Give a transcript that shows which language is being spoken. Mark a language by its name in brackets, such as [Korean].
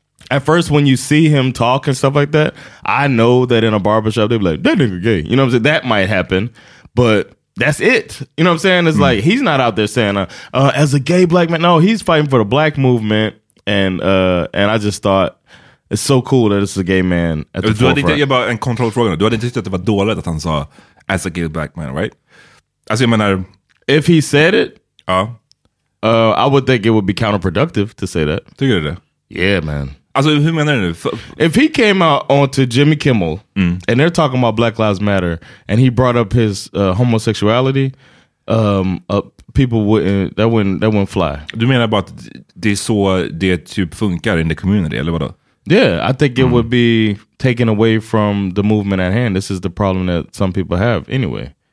[English] At first, when you see him talk and stuff like that, I know that in a barbershop, they'd be like, that nigga gay. You know what I'm saying? That might happen, but that's it. You know what I'm saying? It's like, he's not out there saying, as a gay black man. No, he's fighting for the black movement. And I just thought, it's so cool that it's a gay man at the forefront. [Swedish] Du hade inte tänkt en kontrollfråga. Du hade inte tänkt att det var dåligt att han sa, [English] as a gay black man, right? [Swedish] Alltså, jag menar... [English] If he said it, I would think it would be counterproductive to say that. [Swedish] Tycker du det? [English] Yeah, man. [Swedish] Alltså, hur menar du? [English] If he came out onto Jimmy Kimmel and they're talking about Black Lives Matter and he brought up his homosexuality, people wouldn't fly. [Swedish] Du menar bara att det är så det typ funkar [English] in the community, [Swedish] eller vadå? [English] Yeah, I think it would be taken away from the movement at hand. This is the problem that some people have anyway.